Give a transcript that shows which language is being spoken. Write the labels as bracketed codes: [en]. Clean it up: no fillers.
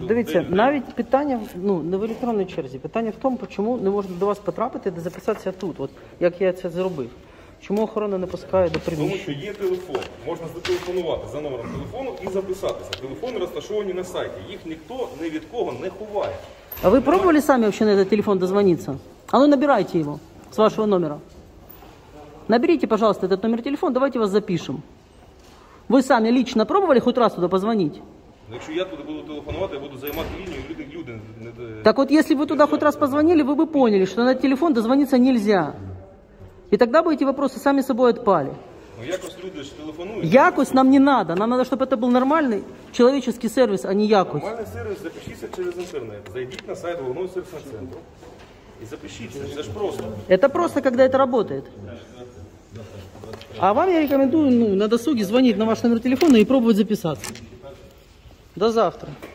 [uk] Дивіться, навіть питання, ну, не в електронній черзі. Питання в тому, чому не можна до вас потрапити, де записатися тут. От, як я це зробив. Чому охорона не пускає до приміщення? Тому що є телефон. Можна зателефонувати за номером телефону і записатися. Телефони розташовані на сайті. Їх ніхто ні від кого не ховає. [ru] А вы пробовали сами вообще на этот телефон дозвониться? А ну набирайте его с вашего номера. Наберите, пожалуйста, этот номер телефона, давайте вас запишем. Вы сами лично пробовали хоть раз туда позвонить? Если я туда буду телефоновать, я буду занимать линию, люди не... Так вот, если бы вы туда хоть раз позвонили, вы бы поняли, что на этот телефон дозвониться нельзя. И тогда бы эти вопросы сами собой отпали. [uk] Ну, якось люди ж телефонують. Якось [ru] нам не надо. Нам надо, чтобы это был нормальный человеческий сервис, а не [uk] якось. [ru] Нормальный сервис, [uk] запишіться через інтернет. Зайдіть на сайт головного сервісного центру і запишіться. Це ж просто. [ru] Это просто, когда это работает. А вам я рекомендую, ну, на досуге звонить на ваш номер телефона и пробовать записаться. До завтра.